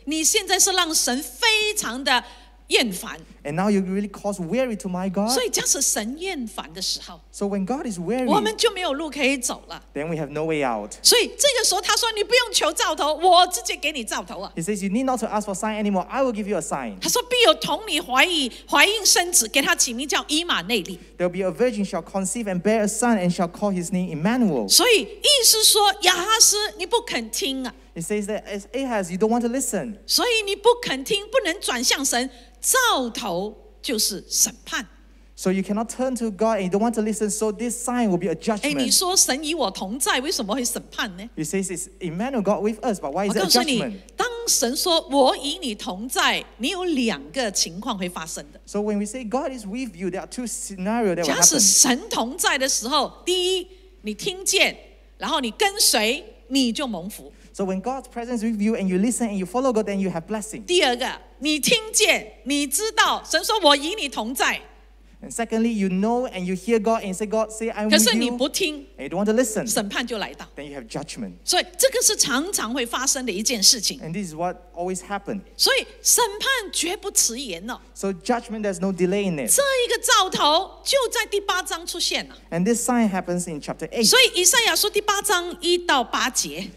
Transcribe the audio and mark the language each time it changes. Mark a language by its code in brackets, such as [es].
[zh] 你现在是让神非常的厌烦。 [en] And now you really cause weary to my God. [zh] 所以假使神厌烦的时候， [en] So when God is weary, [zh] 我们就没有路可以走了。 [en] Then we have no way out. [zh] 所以这个时候他说你不用求兆头，我直接给你兆头啊。 [en] He says you need not to ask for sign anymore, I will give you a sign. [zh] 他说必有童女怀孕生子，给他起名叫以马内利。 [en] There will be a virgin shall conceive and bear a son and shall call his name Emmanuel. [zh] 所以意思说亚哈斯你不肯听啊。 [en] He says that as Ahaz, you don't want to listen. [zh] 所以你不肯听，不能转向神，兆头就是审判。 [en] So you cannot turn to God and you don't want to listen, so this sign will be a judgment. [zh] 你说神与我同在，为什么会审判呢？ [en] He says it's Emmanuel God with us, but why is it a judgment? [zh] 我告诉你，当神说我与你同在，你有两个情况会发生的。 [en] So when we say God is with you, there are two scenarios that will happen. [zh] 假使神同在的时候，第一，你听见，然后你跟随，你就蒙福。 [en] So when God's presence is with you and you listen and you follow God, then you have blessing. [zh] 第二个，你听见，你知道，神说我与你同在。 [en] And secondly, you know and you hear God and you say, God, say I'm with you. [zh] 可是你不听， [en] and you don't want to listen. [zh] 审判就来到。 [en] Then you have judgment. [zh] 所以这个是常常会发生的一件事情。 [en] And this is what always happens. [zh] 所以审判绝不迟延了。 [en] So judgment, there's no delay in it. [zh] 这一个兆头就在第八章出现了。 [en] And this sign happens in chapter 8. [zh] 所以以赛亚书第八章一到八节。